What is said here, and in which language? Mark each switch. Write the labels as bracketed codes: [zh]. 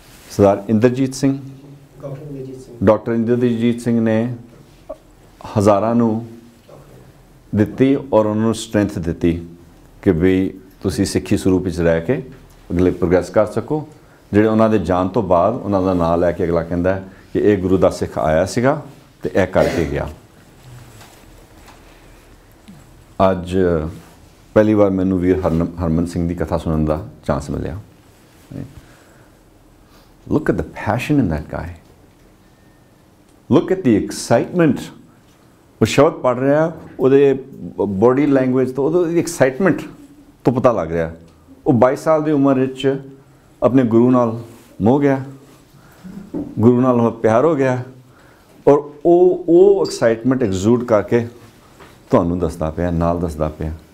[pa] ਸਰਦਾਰ Inderjit Singh, doctor Inderjit Singh ਨੇ ਹਜ਼ਾਰਾਂ ਨੂੰ ਦਿੱਤੀ ਔਰ ਉਹਨਾਂ ਨੂੰ ਸਟਰੈਂਥ ਦਿੱਤੀ ਕਿ ਵੀ ਤੁਸੀਂ ਸਿੱਖੀ ਸਰੂਪ ਵਿੱਚ ਰਹਿ ਕੇ ਅਗਲੇ ਪ੍ਰੋਗਰੈਸ ਕਰ ਸਕੋ। ਜਿਹੜੇ ਉਹਨਾਂ ਦੇ ਜਾਣ ਤੋਂ ਬਾਅਦ ਉਹਨਾਂ ਦਾ ਨਾਂ ਲੈ ਕੇ ਅਗਲਾ ਕਹਿੰਦਾ ਕਿ ਇਹ ਗੁਰੂ ਦਾ ਸਿੱਖ ਆਇਆ ਸੀਗਾ ਅਤੇ ਇਹ ਕਰਕੇ ਗਿਆ। ਅੱਜ ਪਹਿਲੀ ਵਾਰ ਮੈਨੂੰ ਵੀਰ ਹਰਮਨ ਸਿੰਘ ਦੀ ਕਥਾ ਸੁਣਨ ਦਾ ਚਾਂਸ ਮਿਲਿਆ। [en] look at the passion in that guy. Look at the excitement. [pa] ਉਹ ਸ਼ਬਦ ਪੜ੍ਹ ਰਿਹਾ ਉਹਦੇ ਬੋਡੀ ਲੈਂਗੁਏਜ ਤੋਂ ਉਹਦੀ ਐਕਸਾਈਟਮੈਂਟ ਤੋਂ ਪਤਾ ਲੱਗ ਰਿਹਾ ਉਹ 22 ਸਾਲ ਦੀ ਉਮਰ ਵਿੱਚ ਆਪਣੇ ਗੁਰੂ ਨਾਲ ਮੋਹ ਗਿਆ ਗੁਰੂ ਨਾਲ ਪਿਆਰ ਹੋ ਗਿਆ ਔਰ ਉਹ ਐਕਸਾਈਟਮੈਂਟ ਐਗਜ਼ੂਟ ਕਰਕੇ ਤੁਹਾਨੂੰ ਦੱਸਦਾ ਪਿਆ ਨਾਲ ਦੱਸਦਾ ਪਿਆ